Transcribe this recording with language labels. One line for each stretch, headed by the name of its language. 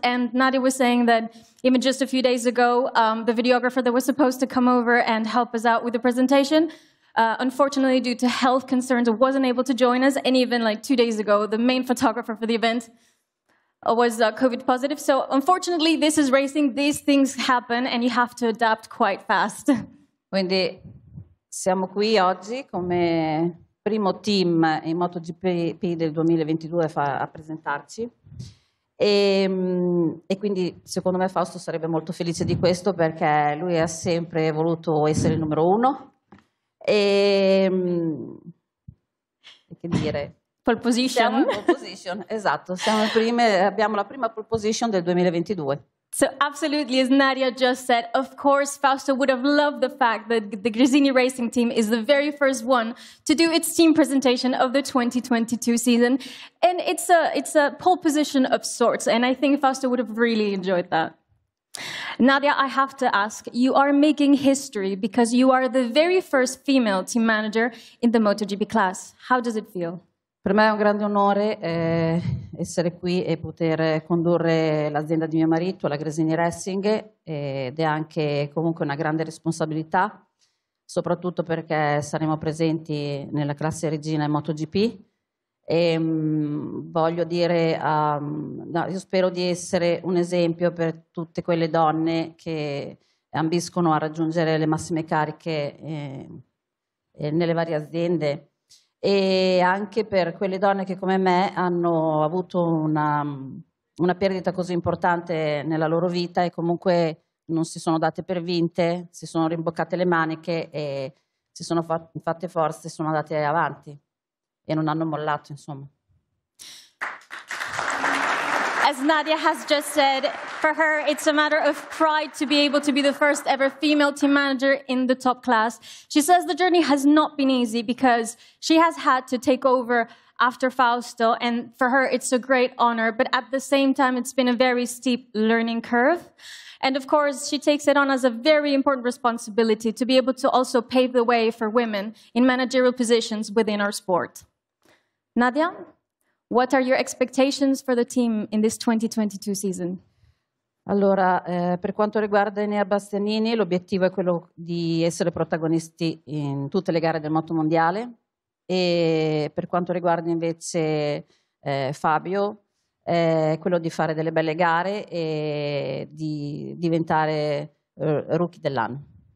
English: And Nadia was saying that even just a few days ago, the videographer that was supposed to come over and help us out with the presentation, unfortunately, due to health concerns, wasn't able to join us. And even like 2 days ago, the main photographer for the event was COVID positive. So unfortunately, this is racing. These things happen and you have to adapt quite fast.
Italian: Quindi siamo qui oggi come primo team in MotoGP del 2022 a presentarci e quindi secondo me Fausto sarebbe molto felice di questo perché lui ha sempre voluto essere il numero uno e che dire,
English: pole position.
Italian: Esatto, siamo prime, abbiamo la prima pole position del 2022.
English: So absolutely, as Nadia just said, of course, Fausto would have loved the fact that the Grizzini Racing team is the very first one to do its team presentation of the 2022 season. And it's a pole position of sorts. And I think Fausto would have really enjoyed that. Nadia, I have to ask, you are making history because you are the very first female team manager in the MotoGP class. How does it feel?
Italian: Per me è un grande onore essere qui e poter condurre l'azienda di mio marito, la Grizzini Racing, ed è anche comunque una grande responsabilità, soprattutto perché saremo presenti nella classe regina in MotoGP Voglio dire, no, io spero di essere un esempio per tutte quelle donne che ambiscono a raggiungere le massime cariche nelle varie aziende e anche per quelle donne che come me hanno avuto una perdita così importante nella loro vita e comunque non si sono date per vinte, si sono rimboccate le maniche e si sono fatte forze e sono andate avanti. E non hanno mollato, insomma.
English: As Nadia has just said, for her it's a matter of pride to be able to be the first ever female team manager in the top class. She says the journey has not been easy because she has had to take over after Fausto, and for her it's a great honor, but at the same time it's been a very steep learning curve. And of course, she takes it on as a very important responsibility to be able to also pave the way for women in managerial positions within our sport. Nadia, what are your expectations for the team in this 2022 season?
Italian: Allora, per quanto riguarda Enea Bastianini, l'obiettivo è quello di essere protagonisti in tutte le gare del moto mondiale. E per quanto riguarda invece Fabio, quello di fare delle belle gare e di diventare rookie dell'anno.